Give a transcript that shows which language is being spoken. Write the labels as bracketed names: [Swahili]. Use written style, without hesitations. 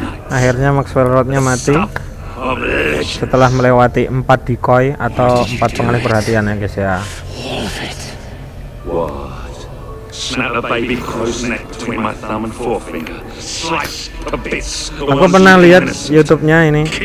[Indonesian] Akhirnya Max Werewatt-nya mati setelah melewati 4 decoy atau 4 pengalih perhatian ya guys ya. [English] Snap a baby crow's neck between my thumb and forefinger. Slice to bits. [Indonesian] Aku pernah lihat YouTube-nya ini.